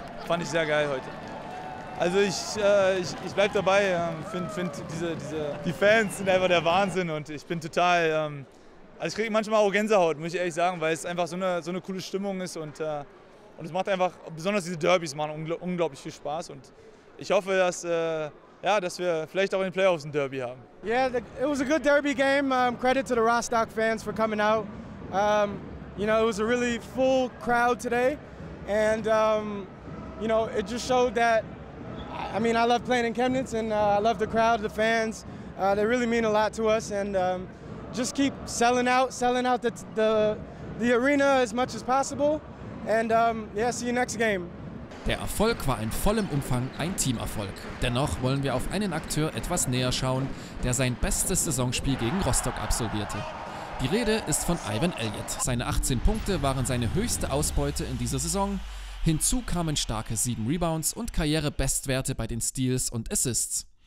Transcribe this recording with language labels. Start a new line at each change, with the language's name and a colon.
German: Fand ich sehr geil heute. Also ich bleib dabei, find die Fans sind einfach der Wahnsinn und ich bin total, also ich kriege manchmal auch Gänsehaut, muss ich ehrlich sagen, weil es einfach so eine coole Stimmung ist und es macht einfach, besonders diese Derbys machen unglaublich viel Spaß und ich hoffe, dass wir vielleicht auch in den Playoffs ein Derby haben.
English: Yeah, it was a good Derby game. Credit to the Rostock fans for coming out. You know, it was a really full crowd today. And, you know, it just showed that, I mean, I love playing in Chemnitz and I love the crowd, the fans. They really mean a lot to us. And just keep selling out the the arena as much as possible. And yeah, see you next game.
German: Der Erfolg war in vollem Umfang ein Teamerfolg. Dennoch wollen wir auf einen Akteur etwas näher schauen, der sein bestes Saisonspiel gegen Rostock absolvierte. Die Rede ist von Ivan Elliott. Seine 18 Punkte waren seine höchste Ausbeute in dieser Saison. Hinzu kamen starke 7 Rebounds und Karrierebestwerte bei den Steals und Assists.